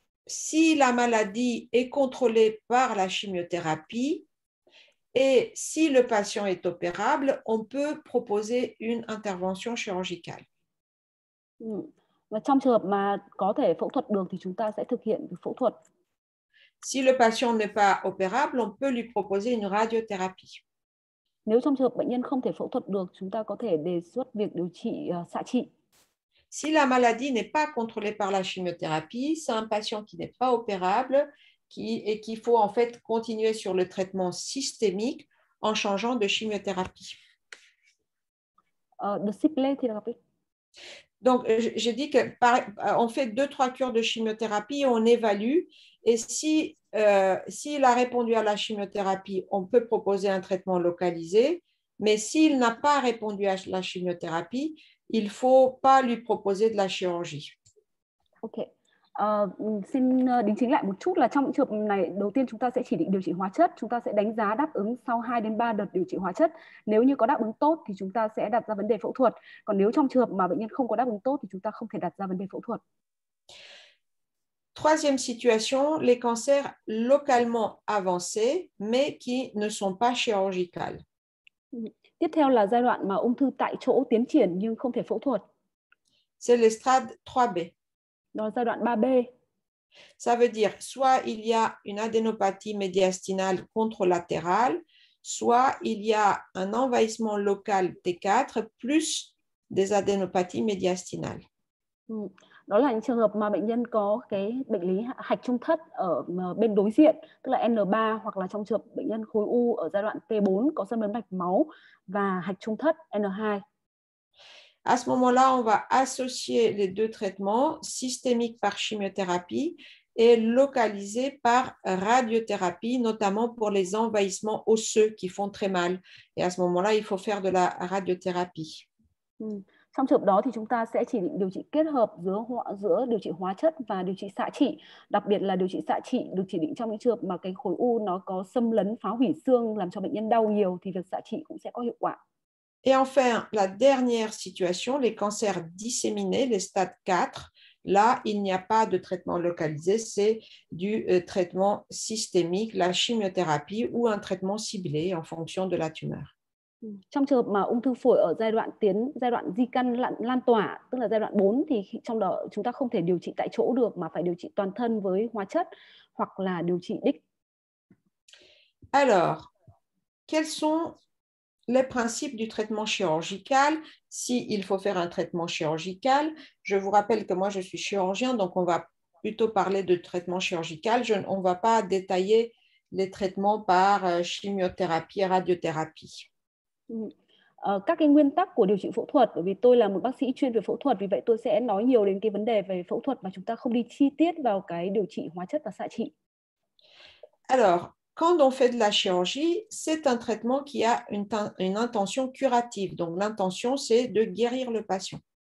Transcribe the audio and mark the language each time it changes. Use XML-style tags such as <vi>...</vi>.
<fr>Si la maladie est contrôlée par la chimiothérapie et si le patient est opérable, on peut proposer une intervention chirurgicale.</fr> <vi>Và trong trường hợp mà có thể phẫu thuật được thì chúng ta sẽ thực hiện phẫu thuật.</vi> <fr>Si le patient n'est pas opérable, on peut lui proposer une radiothérapie.</fr> <vi>Nếu trong trường hợp bệnh nhân không thể phẫu thuật được, chúng ta có thể đề xuất việc điều trị xạ trị.</vi> <fr>Si la maladie n'est pas contrôlée par la chimiothérapie, c'est un patient qui n'est pas opérable et qu'il faut en fait continuer sur le traitement systémique en changeant de chimiothérapie. De ciblothérapie. Donc, j'ai dit qu'on fait 2-3 cures de chimiothérapie, on évalue. Et s'il a répondu à la chimiothérapie, on peut proposer un traitement localisé. Mais s'il n'a pas répondu à la chimiothérapie, il ne faut pas lui proposer de la chirurgie. OK.</fr> <vi>Xin đính chính lại một chút là trong trường này, đầu tiên chúng ta sẽ chỉ định điều trị hóa chất. Chúng ta sẽ đánh giá đáp ứng sau 2 đến 3 đợt điều trị hóa chất. Nếu như có đáp ứng tốt thì chúng ta sẽ đặt ra vấn đề phẫu thuật. Còn nếu trong trường hợp mà bệnh nhân không có đáp ứng tốt thì chúng ta không thể đặt ra vấn đề phẫu thuật.</vi> <fr>Troisième situation, les cancers localement avancés mais qui ne sont pas chirurgicales.</fr> <vi>Tiếp theo là giai đoạn mà ung thư tại chỗ tiến triển nhưng không thể phẫu thuật.</vi> <fr>C'est le stade 3B.</fr> <vi>Đó là giai đoạn 3B.</vi> <fr>Ça veut dire soit il y a une adénopathie médiastinale contralatérale, soit il y a un envahissement local T4 plus des adénopathies médiastinales.</fr> <vi>Đó là những trường hợp mà bệnh nhân có cái bệnh lý hạch trung thất ở bên đối diện, tức là N3, hoặc là trong trường hợp bệnh nhân khối u ở giai đoạn T4 có xâm lấn mạch máu và hạch trung thất N2.</vi> <fr>À ce moment-là, on va associer les deux traitements, systémique par chimiothérapie et localisé par radiothérapie, notamment pour les envahissements osseux qui font très mal. Et à ce moment-là, il faut faire de la radiothérapie.</fr> <vi>Trong trường hợp đó thì chúng ta sẽ chỉ định điều trị kết hợp giữa điều trị hóa chất và điều trị xạ trị. Đặc biệt là điều trị xạ trị được chỉ định trong những trường hợp mà cái khối u nó có xâm lấn, phá hủy xương, làm cho bệnh nhân đau nhiều thì việc xạ trị cũng sẽ có hiệu quả.</vi> <fr>Et enfin, la dernière situation, les cancers disséminés, les stades 4, là, il n'y a pas de traitement localisé, c'est du traitement systémique, la chimiothérapie ou un traitement ciblé en fonction de la tumeur.</fr> <vi>Trong trường hợp mà ung thư phổi ở giai đoạn di căn lan tỏa, tức là giai đoạn 4, thì trong đó chúng ta không thể điều trị tại chỗ được mà phải điều trị toàn thân với hóa chất hoặc là điều trị đích.</vi> <fr>Alors, quels sont les principes du traitement chirurgical? Si il faut faire un traitement chirurgical, je vous rappelle que moi je suis chirurgien, donc on va plutôt parler de traitement chirurgical. On ne va pas détailler les traitements par chimiothérapie et radiothérapie.</fr> <vi>Các cái nguyên tắc của điều trị phẫu thuật, bởi vì tôi là một bác sĩ chuyên về phẫu thuật, vì vậy tôi sẽ nói nhiều đến cái vấn đề về phẫu thuật mà chúng ta không đi chi tiết vào cái điều trị hóa chất và xạ trị.</vi> <fr>Alors, quand on fait de la chirurgie, c'est un traitement qui a une intention curative. Donc l'intention c'est de guérir le patient.</fr>